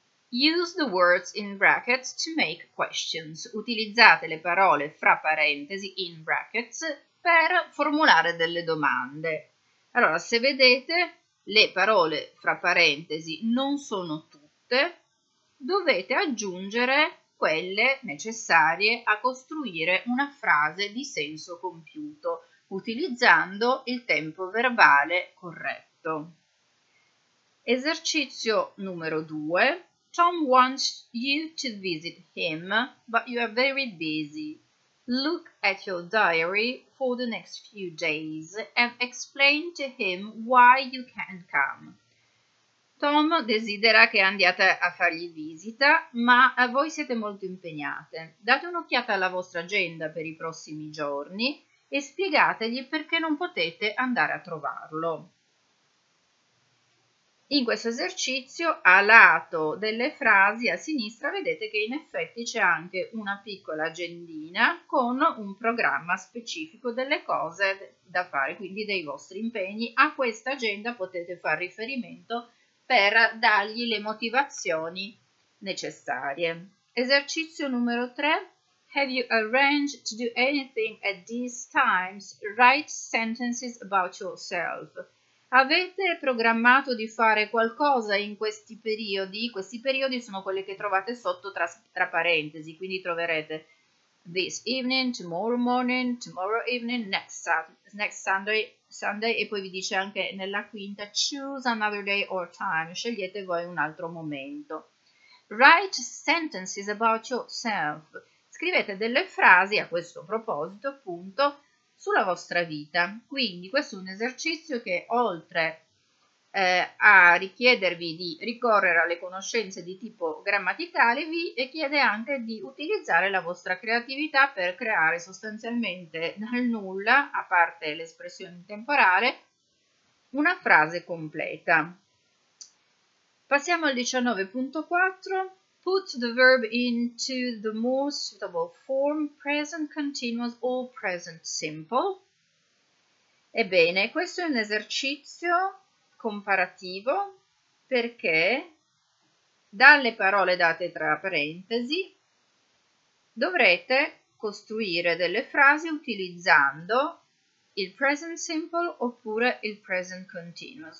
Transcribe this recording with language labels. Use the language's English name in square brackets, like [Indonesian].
[English] Use the words in brackets to make questions. [Italian] Utilizzate le parole fra parentesi, in brackets, per formulare delle domande. Allora, se vedete, le parole fra parentesi non sono tutte, dovete aggiungere quelle necessarie a costruire una frase di senso compiuto utilizzando il tempo verbale corretto. Esercizio numero 2. [English] Tom wants you to visit him, but you are very busy. Look at your diary for the next few days and explain to him why you can't come. [Italian] Tom desidera che andiate a fargli visita, ma voi siete molto impegnate. Date un'occhiata alla vostra agenda per i prossimi giorni e spiegategli perché non potete andare a trovarlo. In questo esercizio, a lato delle frasi, a sinistra, vedete che in effetti c'è anche una piccola agendina con un programma specifico delle cose da fare, quindi dei vostri impegni. A questa agenda potete far riferimento per dargli le motivazioni necessarie. Esercizio numero 3. [English] Have you arranged to do anything at these times? Write sentences about yourself. [Italian] Avete programmato di fare qualcosa in questi periodi? Questi periodi sono quelli che trovate sotto tra parentesi, quindi troverete this evening, tomorrow morning, tomorrow evening, next Sunday, e poi vi dice anche nella quinta, [English] choose another day or time, [Italian] scegliete voi un altro momento. [English] Write sentences about yourself. [Italian] Scrivete delle frasi a questo proposito, appunto, sulla vostra vita. Quindi questo è un esercizio che, oltre a richiedervi di ricorrere alle conoscenze di tipo grammaticale, vi chiede anche di utilizzare la vostra creatività per creare sostanzialmente dal nulla, a parte l'espressione temporale, una frase completa. Passiamo al 19.4. [English] Put the verb into the most suitable form, present, continuous or present simple. [Italian] Ebbene, questo è un esercizio comparativo perché dalle parole date tra parentesi dovrete costruire delle frasi utilizzando il present simple oppure il present continuous.